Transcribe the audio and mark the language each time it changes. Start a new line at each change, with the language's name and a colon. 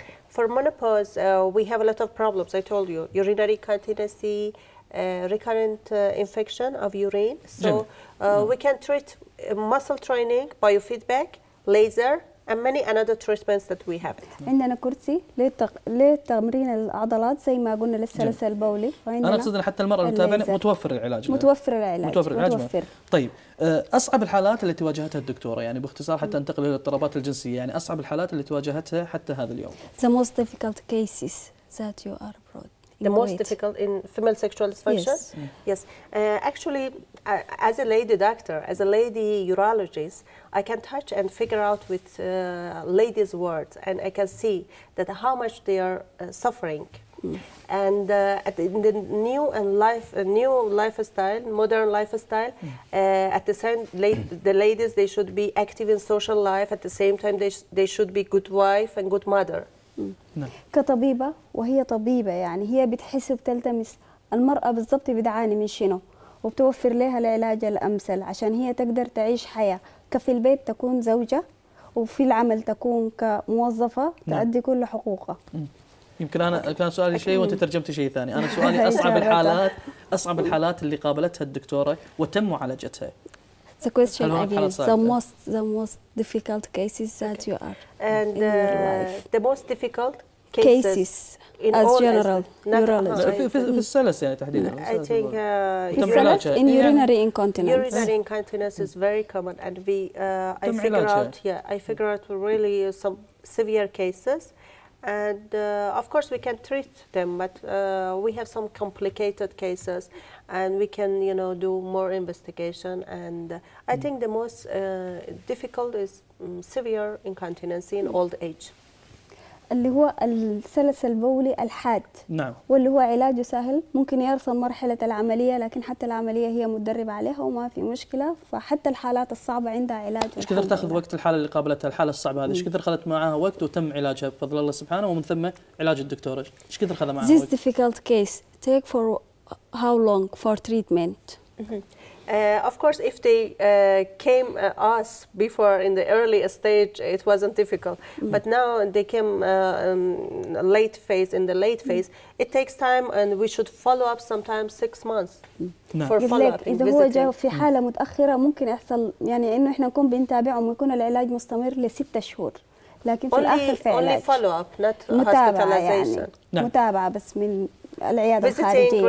English: For menopause, we have a lot of problems. I told you, urinary incontinence, recurrent infection of urine. So we can treat muscle training, biofeedback, laser, and many another treatments that we have.
Arabic: عندنا كرسي لتمرين العضلات زي ما قلنا للسلس البولي. أنا أقصد إن حتى المرأة المتابعين متوفر العلاج. متوفر العلاج. متوفر العلاج. طيب أصعب الحالات التي واجهتها الدكتورة يعني باختصار حتى أنتقل إلى الاضطرابات الجنسية يعني أصعب الحالات التي واجهتها حتى هذا اليوم.
English: The most difficult cases that you are brought. The most difficult in female sexual dysfunction? Yes. Actually, as a lady doctor, as a lady urologist, I can touch and figure out with ladies' words, and I can see that how much they are suffering. And in the new and life, new lifestyle, modern lifestyle, at the same, the ladies, they should be active in social life. At the same time, they should be good wife and good mother.
Arabic: كطبيبة وهي طبيبة يعني هي بتحس وبتلتمس المرأة بالضبط بتعاني من شنو وبتوفر لها العلاج الأمثل عشان هي تقدر تعيش حياة كفي البيت تكون زوجة وفي العمل تكون كموظفة تؤدي كل حقوقها. يمكن أنا كان سؤالي شيء وأنت ترجمتي شيء ثاني. أنا سؤالي أصعب الحالات أصعب الحالات اللي قابلتها الدكتورة وتم معالجتها.
English: The question again, the most difficult cases that you are and in your life. The most difficult cases in as general urologist.
Arabic: في السلس يعني تحديدا.
English: I think in urinary incontinence. Urinary incontinence is very common, and we I figure out really some severe cases, and of course we can treat them, but we have some complicated cases. And we can, you know, do more investigation. And I think the most difficult is severe incontinence in old age.
Arabic: اللي هو السلس البولي الحاد. نعم. واللي هو علاجه سهل ممكن يرسم مرحلة العملية لكن حتى العملية هي مدربة عليها وما في مشكلة فحتى الحالات الصعبة عندها علاج. إيش كثر تأخذ وقت الحالة اللي قابلتها الحالة الصعبة هذه إيش كثر خلت معها وقت وتم علاجها بفضل الله سبحانه ومن ثم علاج الدكتور إيش كثر خذ معها.
English: This difficult case take for how long for treatment? Of course, if they came us before in the early stage, it wasn't difficult. Mm-hmm. But now they came late phase. In the late phase, it takes time, and we should follow up sometimes 6 months for follow-up.
Arabic: إذا هو جاء في حالة متأخرة ممكن يحصل يعني إنه إحنا نكون بنتابعه ويكون العلاج مستمر لستة شهور. لكن في الآخر في علاج.
English: Only follow-up, not hospitalization.
Arabic: يعني. متابعة بس من العيادة الخارجية